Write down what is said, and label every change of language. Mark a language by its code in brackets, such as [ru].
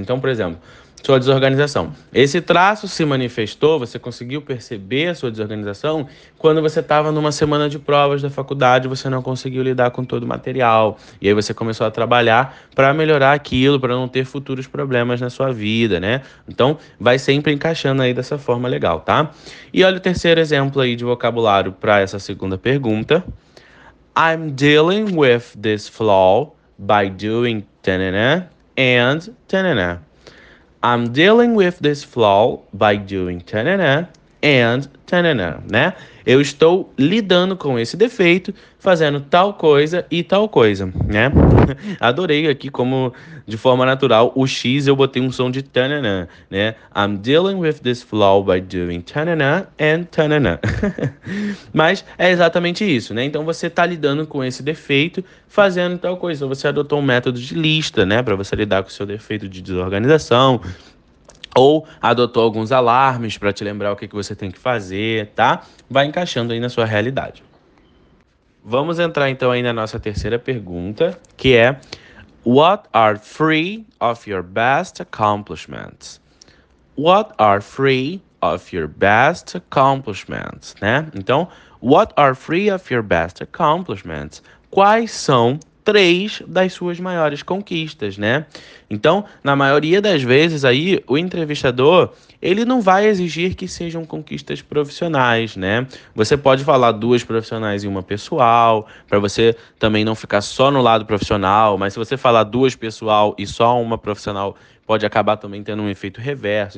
[pt] Então, por exemplo, sua desorganização. Esse traço se manifestou, você conseguiu perceber a sua desorganização quando você estava numa semana de provas da faculdade, você não conseguiu lidar com todo o material. E aí você começou a trabalhar para melhorar aquilo, para não ter futuros problemas na sua vida, né? Então, vai sempre encaixando aí dessa forma legal, tá? E olha o terceiro exemplo aí de vocabulário para essa segunda pergunta. [en] I'm dealing with this flaw by doing tanana and tanana. I'm dealing with this flaw by doing tanana and tanana, né? [pt] Eu estou lidando com esse defeito fazendo tal coisa e tal coisa, né? Adorei aqui como, de forma natural, o X eu botei um som de tanana, né? [en] I'm dealing with this flaw by doing tanana and tanana. [pt] Mas é exatamente isso, né? Então você está lidando com esse defeito fazendo tal coisa. Você adotou um método de lista, né? Para você lidar com o seu defeito de desorganização. Ou adotou alguns alarmes para te lembrar o que que você tem que fazer, tá? Vai encaixando aí na sua realidade. Vamos entrar então aí na nossa terceira pergunta, que é: [en] What are three of your best accomplishments? What are three of your best accomplishments, né? Então, what are three of your best accomplishments? [pt] Quais são três das suas maiores conquistas, né? Então, na maioria das vezes aí, o entrevistador, ele não vai exigir que sejam conquistas profissionais, né? Você pode falar duas profissionais e uma pessoal, para você também não ficar só no lado profissional, mas se você falar duas pessoal e só uma profissional, pode acabar também tendo um efeito reverso.